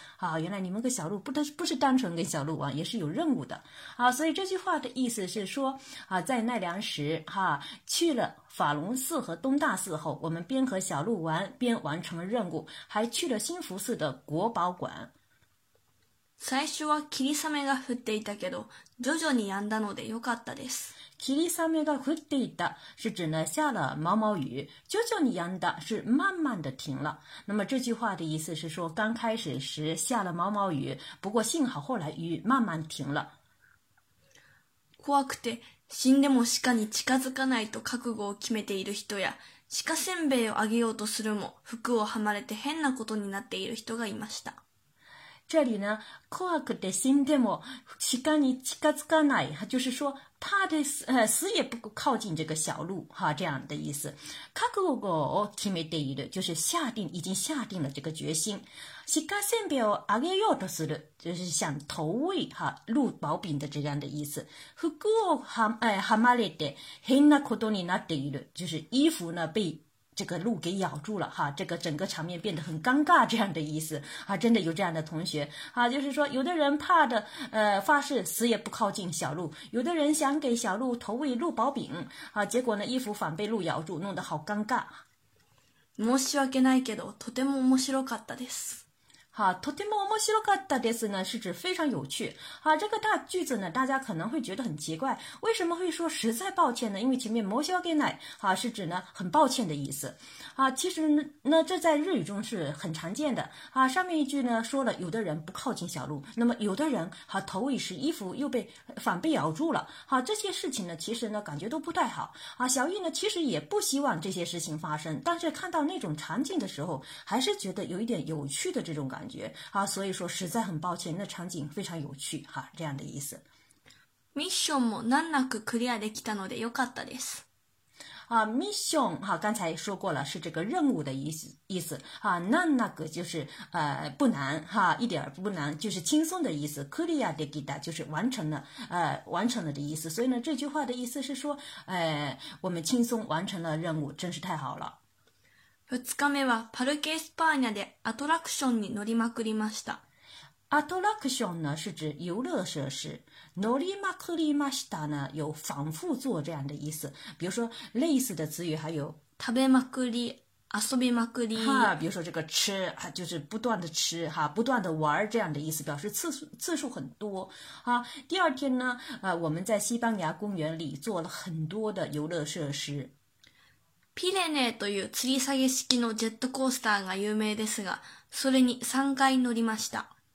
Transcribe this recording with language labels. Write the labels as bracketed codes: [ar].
[zh] 好，原来你们跟小鹿不是单纯跟小鹿玩，也是有任务的。好，所以这句话的意思是说啊，在奈良时哈、啊、去了法隆寺和东大寺后，我们边和小鹿玩边完成了任务，还去了新福寺的国宝馆。 [ja] 最初は霧雨が降っていたけど、徐々に止んだのでよかったです。霧雨が降っていた [zh] 是指呢下了毛毛雨， [ja] 徐徐に止んだ [zh] 是慢慢的停了。那么这句话的意思是说，刚开始时下了毛毛雨，不过幸好后来雨慢慢停了。 [ja] 怖くて死んでも鹿に近づかないと覚悟を決めている人や、鹿せんべいをあげようとするも服をはまれて変なことになっている人がいました。 [zh] 这里呢， [ja] 怖くて死んでも鹿に近づかない， [zh] 就是说怕的死也不靠近这个小鹿哈，这样的意思。 [ja] 覚悟を決めている， [zh] 就是下定，已经下定了这个决心。 [ja] 鹿せんべいをあげようとする， [zh] 就是想投喂哈鹿薄饼的这样的意思。 [ja] 服をはまれて変なことになっている， [zh] 就是衣服呢被这个鹿给咬住了哈，这个整个场面变得很尴尬，这样的意思啊，真的有这样的同学啊，就是说有的人怕的发誓死也不靠近小鹿，有的人想给小鹿投喂鹿宝饼啊，结果呢衣服反被鹿咬住，弄得好尴尬。 [ja] 申し訳ないけど、とても面白かったです。 [zh] 好， [ja] とても面白かったです [zh] 呢，是指非常有趣。好，这个大句子呢，大家可能会觉得很奇怪，为什么会说实在抱歉呢？因为前面 [ja] 申し訳ない， [zh] 好，是指呢很抱歉的意思。啊，其实呢，这在日语中是很常见的。啊，上面一句呢说了有的人不靠近小鹿，那么有的人好投喂时衣服又被反被咬住了。好，这些事情呢，其实呢感觉都不太好。啊，小玉呢其实也不希望这些事情发生，但是看到那种场景的时候，还是觉得有一点有趣的这种感觉。感觉啊，所以说实在很抱歉，那场景非常有趣哈，这样的意思。 [ja] ミッションも難なくクリアできたのでよかったです。 [zh] 啊 ，mission 哈、啊，刚才说过了，是这个任务的意思啊。难那个就是不难哈、啊，一点儿不难，就是轻松的意思。クリアできた就是完成了完成了的意思。所以呢，这句话的意思是说，我们轻松完成了任务，真是太好了。 [ja] 2日目はパルケエスパーニャでアトラクションに乗りまくりました。 [zh] アトラクション呢是指游乐设施。 [ja] 乗りまくりました [zh] 呢有反复做这样的意思。比如说类似的词语还有 [ja] 食べまくり、遊びまくり。 [zh] 哈，比如说这个吃，就是不断的吃哈，不断的玩这样的意思，表示次数很多。啊，第二天呢，我们在西班牙公园里做了很多的游乐设施。 [ja] ピレネーという吊り下げ式のジェットコースターが有名ですが、それに3回乗りました。